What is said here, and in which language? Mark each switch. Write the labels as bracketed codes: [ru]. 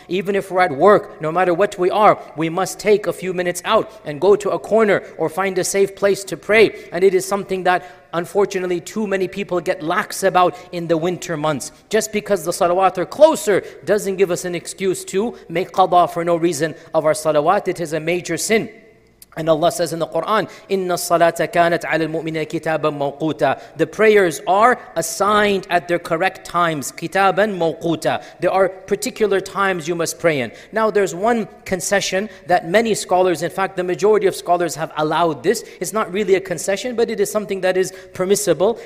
[en] Even if we're at work, no matter what we are, we must take a few minutes out and go to a corner or find a safe place to pray. And it is something that unfortunately too many people get lax about in the winter months. Just because the salawat are closer doesn't give us an excuse to make qada for no reason of our salawat. It is a major sin. And Allah says in the Quran, [ar] إِنَّ الصَّلَاةَ كَانَتْ عَلَى الْمُؤْمِنَ كِتَابًا مَوْقُوتًا. [en] The prayers are assigned at their correct times. [ar] كِتَابًا مَوْقُوتًا. [en] There are particular times you must pray in. Now there's one concession that many scholars, in fact the majority of scholars, have allowed this. It's not really a concession, but it is something that is permissible.